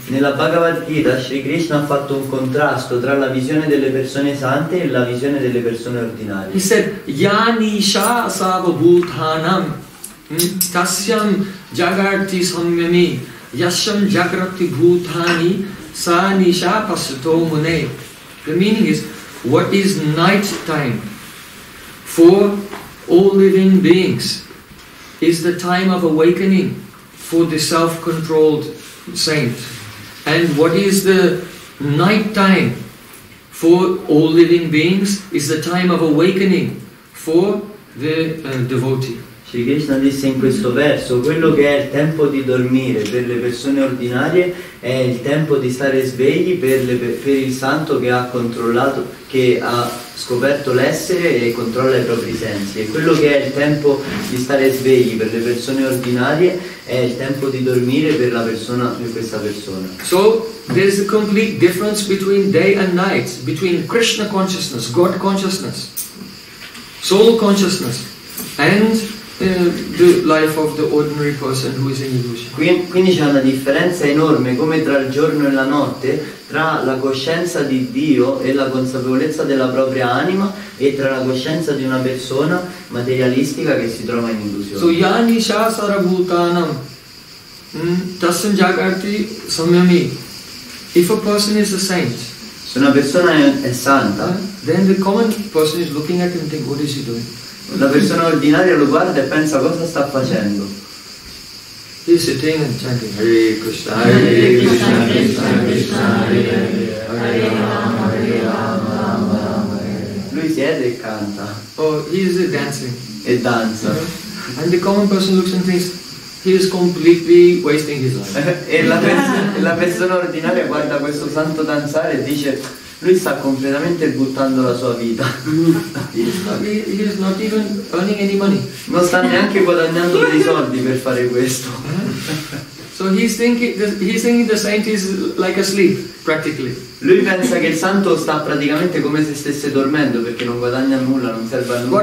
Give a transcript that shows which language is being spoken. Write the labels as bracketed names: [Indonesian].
[Italian] Nella Bhagavad Gita Sri Krishna ha fatto un contrasto tra la visione delle persone sante e la visione delle persone ordinarie. [English] He said, [Sanskrit] Yani sha sabhutanam tasyam jagarti samyami yasham jagrati bhutani sa nisha pasuto mune. [English] The meaning is, what is night time for all living beings is the time of awakening for the self-controlled saint. And what is the night time for all living beings is the time of awakening for the devotee. [Italian] Sri Krishna disse in questo verso, quello che è il tempo di dormire per le persone ordinarie è il tempo di stare svegli per il santo che ha controllato, che ha scoperto l'essere e controlla i propri sensi. E quello che è il tempo di stare svegli per le persone ordinarie è il tempo di dormire per la persona, per questa persona. [English] So there's a complete difference between day and night, between Krishna consciousness, God consciousness, soul consciousness, and the life of the ordinary person who is in illusion. [Italian] Quindi c'è una differenza enorme come tra il giorno e la notte, tra la coscienza di Dio e la consapevolezza della propria anima e tra la coscienza di una persona materialistica che si trova in illusione. [English] So [Sanskrit] yani sha sarabhutanam tasyam jagarti samyami. [English] If a person is a saint, [Italian] se una persona è santa, [English] then the common person is looking at him and think, what is he doing? [Italian] La persona ordinaria lo guarda e pensa, cosa sta facendo? [English] He's sitting and chanting Hare Krishna, Hare Krishna, Krishna Krishna, Krishna Hare Hare, Hare Rama, Hare Rama, Rama Rama. [Italian] Lui siede e canta. [English] Oh, he's dancing. [Italian] E danza. [English] And the common person looks and thinks, he is completely wasting his life. [Italian] E la persona ordinaria guarda questo santo danzare e dice, lui sta completamente buttando la sua vita. [English] He is not even earning any money. [Italian] Non sta neanche guadagnando dei soldi per fare questo. [English] So he's thinking the saint is like asleep, practically. [Italian] Lui pensa che il santo sta praticamente come se stesse dormendo perché non guadagna nulla, non serve a nulla.